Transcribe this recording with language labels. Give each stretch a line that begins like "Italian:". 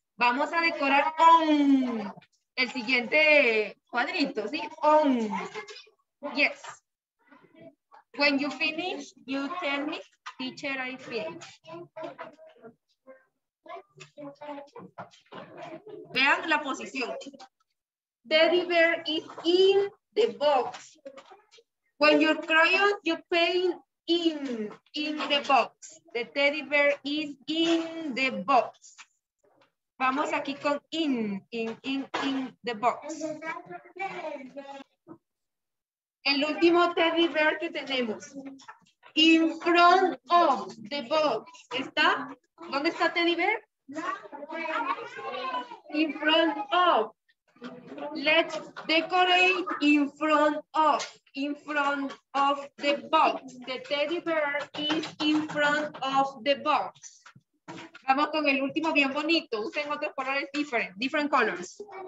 Spanish: Vamos a decorar on el siguiente cuadrito, ¿sí?
English: On. Yes. When you finish, you tell me, teacher, I finish.
Spanish: Vean la posición.
English: Teddy bear is in the box. When you crayon, you paint in the box. The teddy bear is in the box.
Spanish: Vamos aquí con
English: in the box.
Spanish: El último teddy bear que tenemos.
English: In front of the box.
Spanish: ¿Está? ¿Dónde está teddy bear?
English: In front of. Let's decorate in front of. In front of the box. The teddy bear is in front of the box.
Spanish: Vamos con el último bien bonito. Usen otros colores diferentes.
English: Different colors.